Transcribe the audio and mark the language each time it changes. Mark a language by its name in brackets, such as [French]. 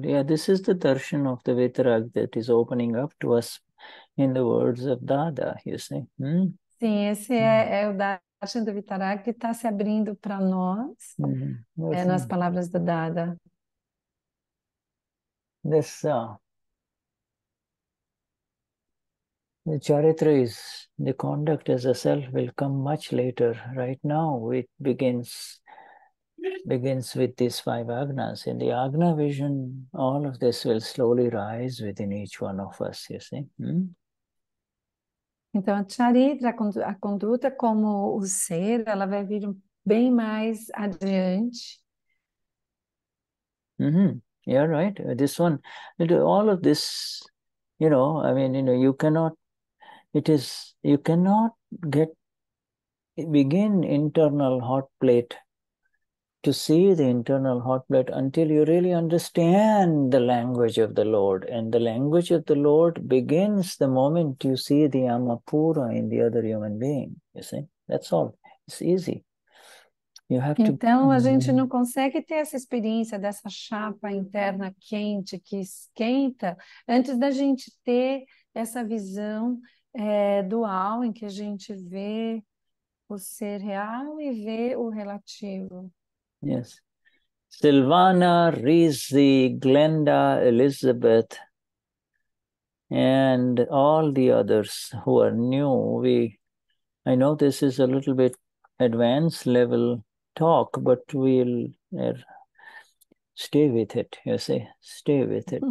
[English] Yeah, this is the darshan of the vitaraga that is opening up to us in the words of Dada, you see. Mm? [Portuguese] Sim, esse é o Dada. Darshan do Vitaraga que está se abrindo para nós, é nas palavras do Dada. Nessa, [English] the charitra is the conduct as a self will come much later. Right now, it begins with these five agnas. In the agna vision, all of this will slowly rise within each one of us. You see. Hmm? [Portuguese] Então, a charitra, a conduta como o ser, ela vai vir bem mais adiante. [English] Mm-hmm. Yeah, right. This one, all of this, you know, I mean, you know, you cannot, it is, you cannot get, begin internal hot plate, to see the internal hot plate until you really understand the language of the Lord. And the language of the Lord begins the moment you see the Amapura in the other human being. You see? That's all. It's easy. You have [Portuguese] então, [English] to... [Portuguese] Então, a gente não consegue ter essa experiência dessa chapa interna quente que esquenta antes da gente ter essa visão dual em que a gente vê o ser real e vê o relativo. [English] Yes. Silvana, Rizzi, Glenda, Elizabeth, and all the others who are new. I know this is a little bit advanced level talk, but we'll stay with it, you see. Stay with it.